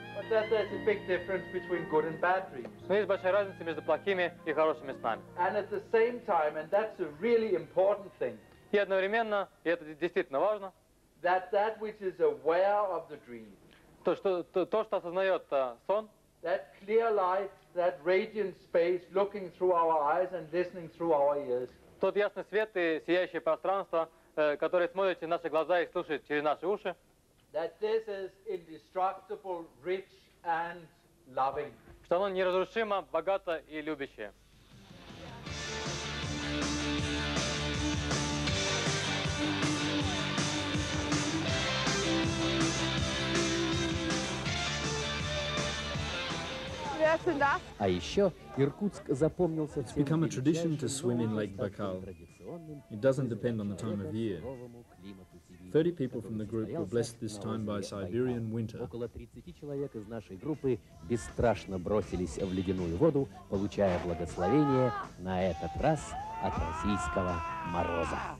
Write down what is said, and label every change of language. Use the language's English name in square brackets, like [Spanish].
[English] But that there's a big difference between good and bad dreams. [Russian] Но есть большая разница между плохими и хорошими снами. [English] And at the same time, and that's a really important thing. [Russian] И одновременно, и это действительно важно. [English] That which is aware of the dream. [Russian] То, что осознает сон. [English] That clear light, that radiant space, looking through our eyes and listening through our ears. [Russian] Тот ясный свет и сияющее пространство. Которые смотрят в наши глаза и слушают через наши уши. [English] That this is indestructible, rich and loving. [Russian] Что оно неразрушимо, богато и любящее. А еще Иркутск запомнился всем. [English] It's become a tradition to swim in Lake Baikal. It doesn't depend on the time of year. 30 people from the group were blessed this time by Siberian winter. [Russian] Около 30 человек из нашей группы бесстрашно бросились в ледяную воду, получая благословение на этот раз от российского мороза.